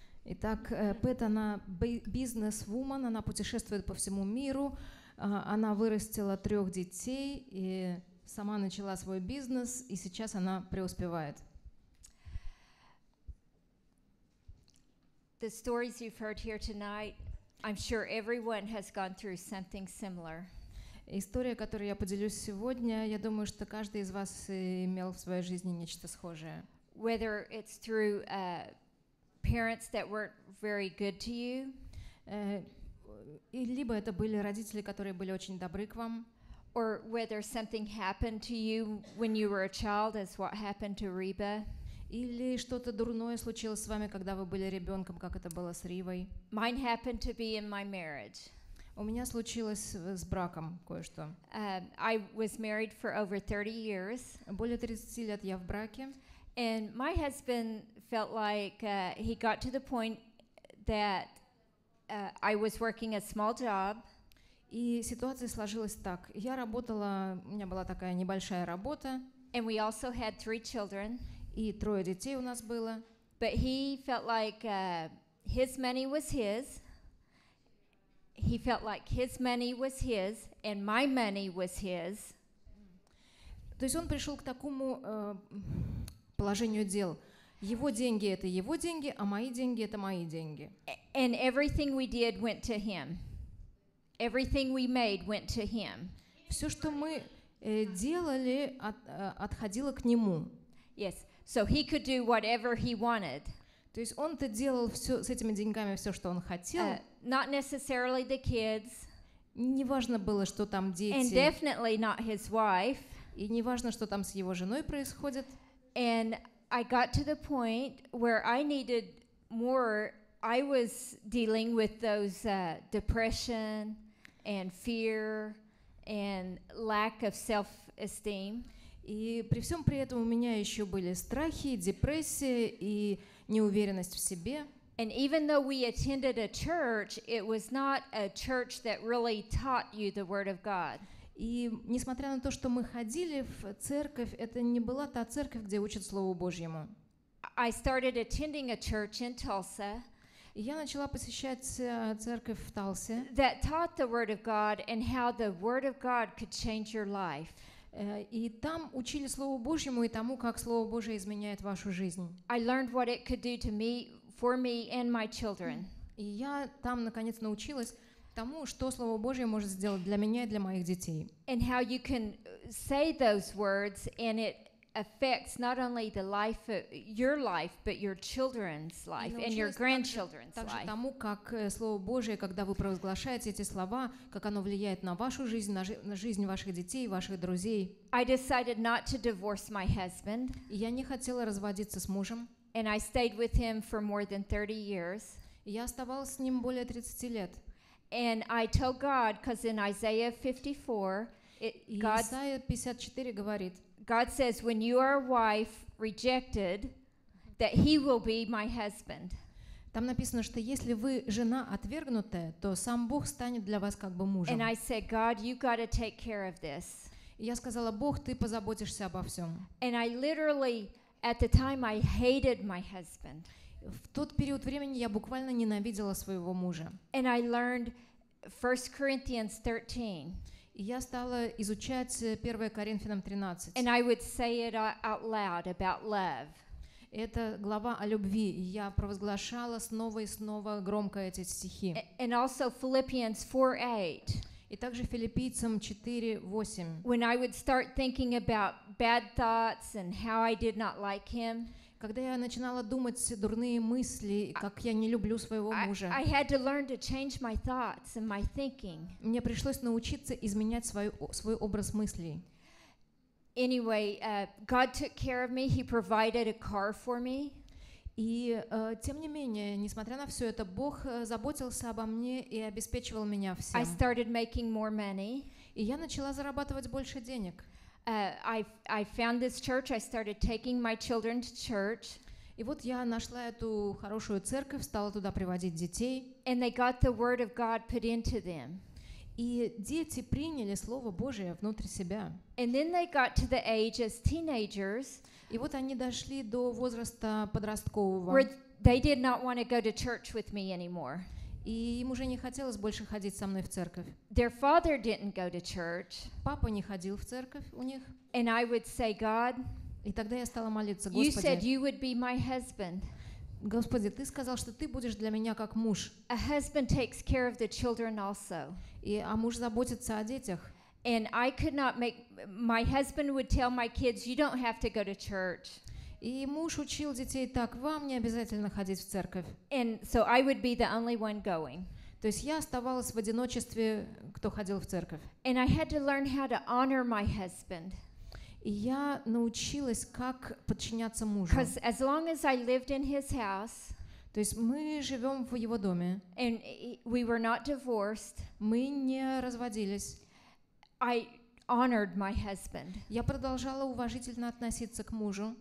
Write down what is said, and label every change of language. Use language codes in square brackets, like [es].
[ru] Итак, Пэт, она бизнес-вумен, она путешествует по всему миру, она вырастила трех детей и сама начала свой бизнес, и сейчас она преуспевает. [en] The stories you've heard here tonight, I'm sure everyone has gone through something similar. [ru] История, которую я поделюсь сегодня, я думаю, что каждый из вас имел в своей жизни нечто схожее. [en] Whether it's through parents that weren't very good to you. [ru] Либо это были родители, которые были очень добры к вам. [en] Or whether something happened to you when you were a child, as what happened to Reba. [ru] Или что-то дурное случилось с вами, когда вы были ребенком, как это было с Ривой. [en] Mine happened to be in my marriage. [ru] У меня случилось с браком кое-что. [en] I was married for over 30 years. [ru] Более 30 лет я в браке. [en] And my husband felt like he got to the point that I was working a small job. [ru] И ситуация сложилась так. Я работала, у меня была такая небольшая работа. [en] And we also had three children. [ru] И трое детей у нас было. [en] But he felt like his money was his. He felt like his money was his and my money was his. [ru] То есть он пришел к такому положению дел. Его деньги — это его деньги, а мои деньги — это мои деньги. [en] And everything we did went to him. Everything we made went to him. [ru] Все, что мы делали, отходило к нему. [en] Yes. So he could do whatever he wanted. [ru] То есть он-то делал все с этими деньгами все, что он хотел. [en] Not necessarily the kids. [ru] Не важно было, что там дети. [en] And definitely not his wife. [ru] И не важно, что там с его женой происходит. [en] And I got to the point where I needed more. I was dealing with those depression and fear and lack of self-esteem. [ru] И при всем при этом у меня еще были страхи, депрессия и неуверенность в себе. [en] And even though we attended a church, it was not a church that really taught you the Word of God. [ru] И несмотря на то, что мы ходили в церковь, это не была та церковь, где учат Слову Божьему. [en] I started attending a church in Tulsa. [ru] И я начала посещать церковь в Талсе. [en] That taught the Word of God and how the Word of God could change your life. [ru] И там учили Слову Божьему и тому, как Слово Божье изменяет вашу жизнь. [en] I learned what it could do to me, for me and my children. [ru] И я там наконец научилась тому, что Слово Божье может сделать для меня и для моих детей. [en] And how you can say those words and it affects not only the life of your life, but your children's life and your grandchildren's life. [ru] Также тому, как Слово Божие, когда вы провозглашаете эти слова, как оно влияет на вашу жизнь, на жизнь ваших детей, ваших друзей. [en] I decided not to divorce my husband. [ru] Я не хотела разводиться с мужем. [en] And I stayed with him for more than 30 years. [ru] Я оставалась с ним более 30 лет. [en] And I told God, because in Isaiah 54, [ru] Исайя 54 говорит. [en] God says, when you are a wife rejected, that he will be my husband. [ru] Там написано, что если вы жена отвергнутая, то сам Бог станет для вас как бы мужем. [en] And I said, God, you got to take care of this. [ru] Я сказала, Бог, ты позаботишься обо всем. [en] And I literally, at the time, I hated my husband. [ru] В тот период времени я буквально ненавидела своего мужа. [en] And I learned 1 Corinthians 13. [ru] Я стала изучать 1 Коринфянам 13. [en] And I would say it out loud about love. [ru] Это глава о любви. Я провозглашала снова и снова громко эти стихи. [en] And also Philippians 4:8. [ru] И также Филиппийцам 4:8. [en] When I would start thinking about bad thoughts and how I did not like him. [ru] Когда я начинала думать дурные мысли, как я не люблю своего мужа. [en] I had to learn to change my thoughts and my thinking. [ru] Мне пришлось научиться изменять свой образ мыслей. [en] Anyway, God took care of me. He provided a car for me. [ru] И тем не менее, несмотря на все это, Бог заботился обо мне и обеспечивал меня всем. [en] I started making more money. [ru] И я начала зарабатывать больше денег. [en] I found this church. I started taking my children to church. [ru] И вот я нашла эту хорошую церковь, стала туда приводить детей. [en] And they got the word of God put into them. [ru] И дети приняли слово Божие внутрь себя. [en] And then they got to the age as teenagers. [ru] И вот они дошли до возраста подросткового. [en] Where they did not want to go to church with me anymore. [ru] И им уже не хотелось больше ходить со мной в церковь. [en] Their father didn't go to church. [ru] Папа не ходил в церковь у них. [en] And I would say, God, [ru] и тогда я стала молиться, Господи. [en] You said you would be my husband. [ru] Господи, ты сказал, что ты будешь для меня как муж. [en] A husband takes care of the children also. [ru] А муж заботится о детях. [en] And I could not make my husband would tell my kids, you don't have to go to church. [ru] И муж учил детей так, вам не обязательно ходить в церковь. [en] And so I would be the only one going. [ru] То есть я оставалась в одиночестве, кто ходил в церковь. [en] And I had to learn how to honor my husband. [ru] И я научилась, как подчиняться мужу. [en] Because as long as I lived in his house, [ru] то есть мы живем в его доме, [en] and we were not divorced, [ru] мы не разводились, [en] I honored my husband. [ru] Я продолжала уважительно относиться к мужу.